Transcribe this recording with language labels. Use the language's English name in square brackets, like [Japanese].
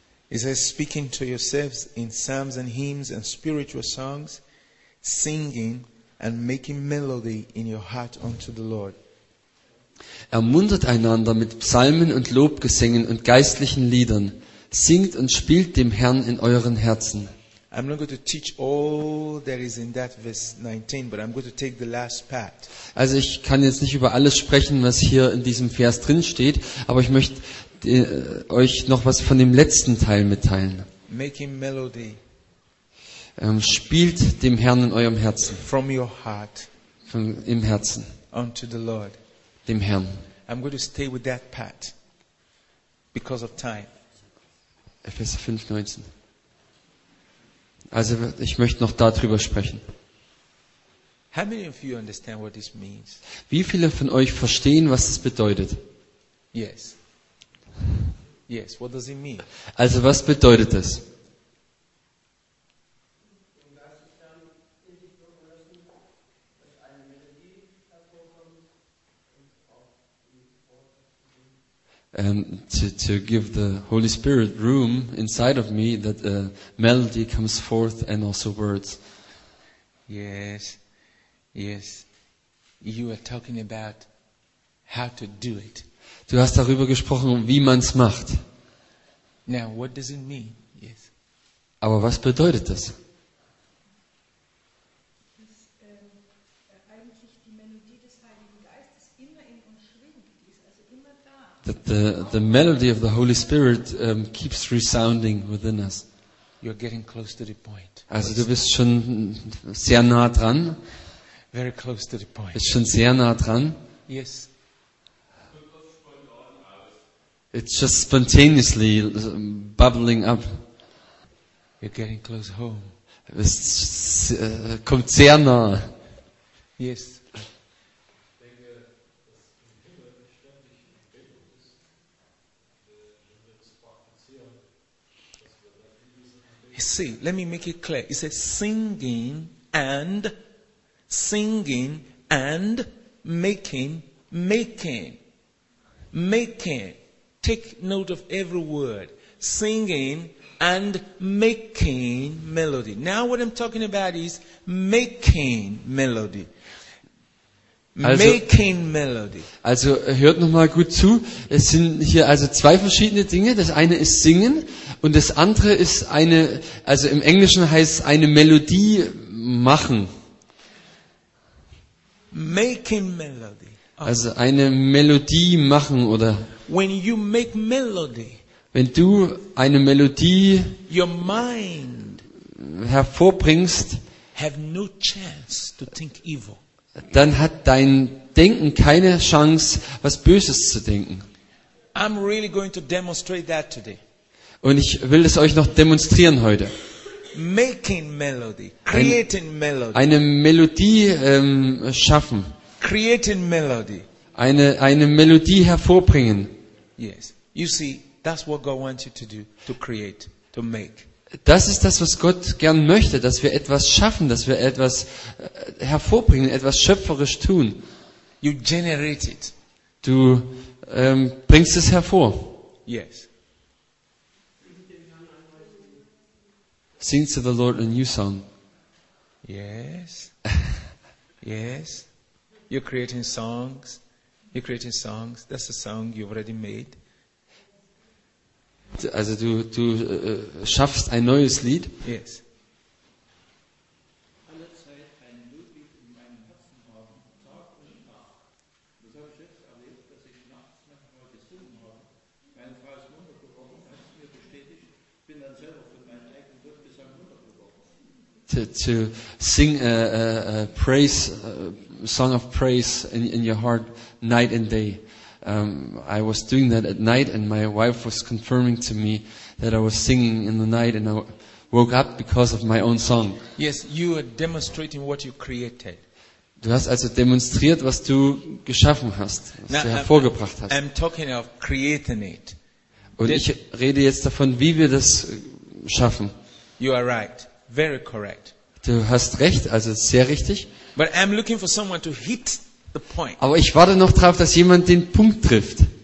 [English] It says, speaking to yourselves in psalms and hymns and spiritual songs, singing and making melody in your heart unto the Lord. [German] Ermuntert einander mit Psalmen und Lobgesängen und geistlichen Liedern. Singt und spielt dem Herrn in euren Herzen. [English] I'm not going to teach all that is in that verse 19, but I'm going to take the last part. [German] Also ich kann jetzt nicht über alles sprechen, was hier in diesem Vers drin steht, aber ich möchte euch noch was von dem letzten Teil mitteilen. [English] Making melody. [German] Spielt dem Herrn in eurem Herzen. [English] From your heart. [German] Im Herzen. [English] Unto the Lord. [German] Dem Herrn. [English] I'm going to stay with that part because of time. [German] Epheser 5, 19. Also ich möchte noch darüber sprechen. [English] How many of you understand what this means? [German] Wie viele von euch verstehen, was das bedeutet? [English] Yes. Yes, what does it mean? [German] Also was bedeutet das? [English] To give the Holy Spirit room inside of me that a melody comes forth and also words. Yes, yes. You are talking about how to do it. [German] Du hast darüber gesprochen, wie man es macht. [English] Now, what does it mean? Yes. [German] Aber was bedeutet das? [English] That the melody of the Holy Spirit keeps resounding within us. You're getting close to the point. [German] Also du bist schon sehr nah dran. [English] Very close to the point. [German] Bist schon sehr nah dran. [English] Yes. It's just spontaneously bubbling up. You're getting close home. [German] Es kommt sehr nah. [English] Yes. See, let me make it clear. It says singing and making. Take note of every word. Singing and making melody. Now what I'm talking about is making melody. Making melody. [German] Also hört nochmal gut zu. Es sind hier also zwei verschiedene Dinge. Das eine ist singen und das andere ist eine, also im Englischen heißt eine Melodie machen. [English] Making melody. [German] Also eine Melodie machen oder. [English] When you make melody. [German] Wenn du eine Melodie. [English] Your mind. [German] hervorbringst, [English] have no chance to think evil. [German] Dann hat dein Denken keine Chance, was Böses zu denken. [English] I'm really going to demonstrate that today. [German] Und ich will es euch noch demonstrieren heute. [English] Making melody, creating melody. [German] Eine Melodie schaffen. [English] Creating melody. [German] Eine Melodie hervorbringen. [English] Yes. You see, that's what God wants you to do, to create, to make. [German] Das ist das, was Gott gern möchte, dass wir etwas schaffen, dass wir etwas hervorbringen, etwas schöpferisch tun. [English] You generate it. [German] Du bringst es hervor. [English] Yes. Sing to the Lord a new song. Yes. Yes. You're creating songs. You're creating songs. That's a song you've already made. [German] Also du schaffst ein neues Lied. [English] Yes. To sing a song of praise in your heart night and day. I was doing that at night, and my wife was confirming to me that I was singing in the night, and I woke up because of my own song. Yes, you are demonstrating what you created. [German] Du hast also demonstriert, was du geschaffen hast, was [English] Now, [German] du hervorgebracht hast. [English] I'm talking of creating it. [German] Und ich rede jetzt davon, wie wir das schaffen. [English] You are right. Very correct. [German] Du hast recht, also sehr richtig. [English] But I'm looking for someone to hit the point. [German] Aber ich warte noch drauf, dass jemand den Punkt trifft.